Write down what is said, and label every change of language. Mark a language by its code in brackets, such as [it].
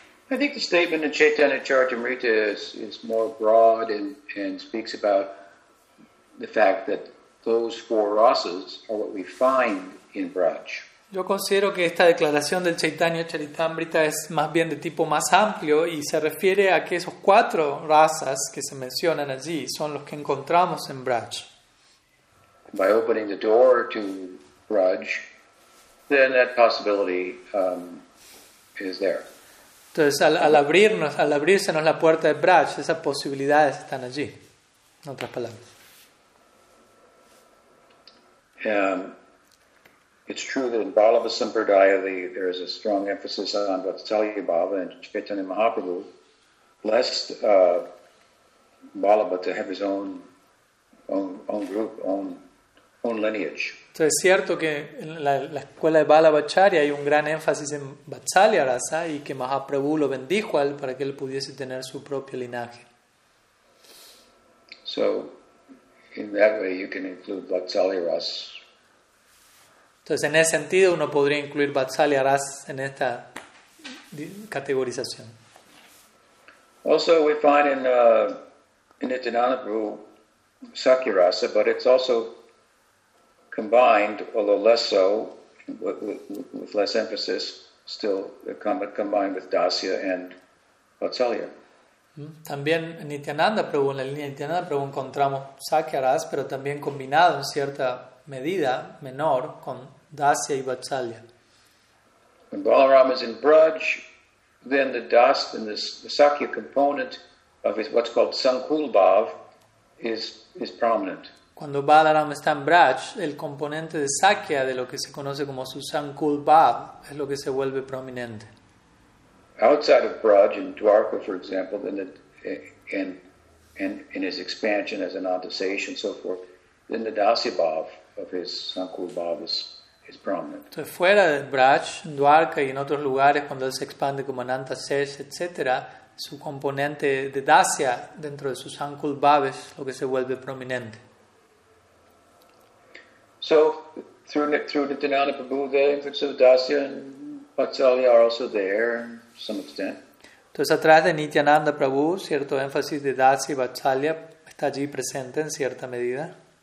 [en] I think the statement in Chaitanya Charitamrita is more broad and speaks about the fact that those four rasas are what we find in Braj. [es] Yo considero que esta declaración del Chaitanya Charitamrita es más bien de tipo más amplio y se refiere a que esos cuatro razas que se mencionan allí son los que encontramos en Braj. [en] By opening the door to Braj, then that possibility is there. [es] Entonces, al abrirse la puerta de Braj, esas posibilidades están allí. En otras palabras. [en] It's true that in Balabha Sampradaya there is a strong emphasis on Vatsalya Bhava, and Chaitanya Mahaprabhu blessed Balabha to have his own group, own lineage. [es] Entonces, es cierto que en la escuela de Balabhacharya hay un gran énfasis en Vatsalya Rasa y que Mahaprabhu lo bendijo a él para que él pudiese tener su propio linaje. [en] So, in that way you can include Vatsalya Rasa. [es] Entonces, en ese sentido, uno podría incluir Vatsalya Rasa en esta categorización. [en] Also, we find in Nityananda Prabhu Sakya Rasa, but it's also combined, although less so, with less emphasis, still combined with Dasya and Vatsalya. [es] También en Nityananda Prabhu, en la línea de Nityananda Prabhu, encontramos Sakya Rasa, pero también combinado en cierta medida menor con Dasya y Vatsalya. [en] When Balaram is in Braj, then the Dasya and the Sakya component of his, what's called Sankul Bhav is prominent. [es] Cuando Balaram está en Braj, el componente de Sakya, de lo que se conoce como su Sankul Bhav, es lo que se vuelve prominente. [en] Outside of Braj, in Dwarka, for example, then in his expansion as an Antasesh and so forth, then the Dasya Bhav of his Sankul Bhav is prominent. [es] Entonces, fuera de Braj, en Dwarka y en otros lugares, cuando él se expande como Ananta Sesh, etc., su componente de Dasya dentro de su Sankul Bhav es lo que se vuelve prominente. [en] So, through the Nityananda Prabhu, the influence of Dasya and Vatsalya are also there in some extent. [es] Entonces, a través de Nityananda Prabhu, cierto énfasis de Dasya y Vatsalya está allí presente en cierta medida.